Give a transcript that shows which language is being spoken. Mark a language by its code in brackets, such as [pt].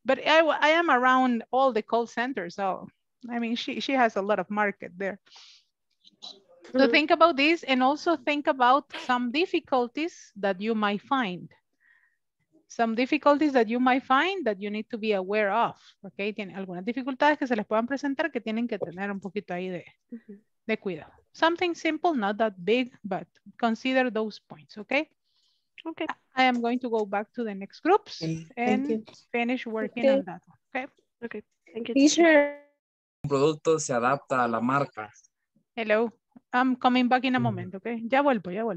[en] But I am around all the call centers. So, I mean, she has a lot of market there. So think about this and also think about some difficulties that you might find. Some difficulties that you might find that you need to be aware of. [es] Okay, tiene algunas dificultades que se les puedan presentar que tienen que tener un poquito ahí de cuidado. [en] Something simple, not that big, but consider those points. Okay. Okay. I am going to go back to the next groups and finish working on that. Okay. Okay. Thank you. [es] Un producto se adapta a la marca. [en] Hello. I'm coming back in a moment, okay? [es] Ya vuelvo.